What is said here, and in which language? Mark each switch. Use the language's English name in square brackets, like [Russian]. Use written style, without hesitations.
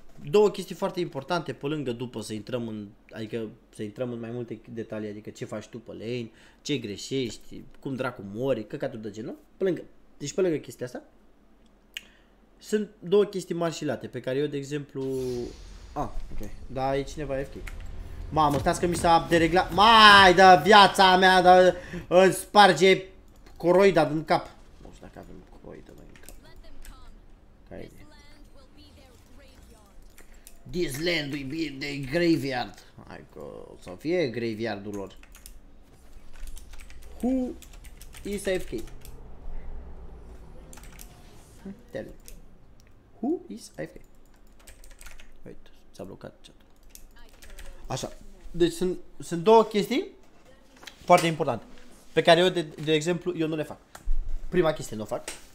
[Romanian] Două chestii foarte importante pe lângă după să intrăm în, adică să intrăm în mai multe detalii, adică ce faci tu pe lane, ce greșești, cum dracu mori, căcatul de genul, pe lângă, deci pe lângă chestia asta, sunt două chestii mari și late, pe care eu, de exemplu, ok, da, e cineva FK. Mamă, stați că mi s-a dereglat, mai, da, viața mea, da, îmi sparge coroida din cap. Nu știu dacă avem coroida mai în cap. Haide. [English] This land will be the graveyard. [Romanian] Hai că o să fie graveyardul lor. [English] Who is AFK? Tell me. Who is AFK? [Romanian] Uite, s-a blocat chat-ul. Așa, deci sunt două chestii foarte importante pe care eu, de exemplu, eu nu le fac. Prima chestie nu o fac.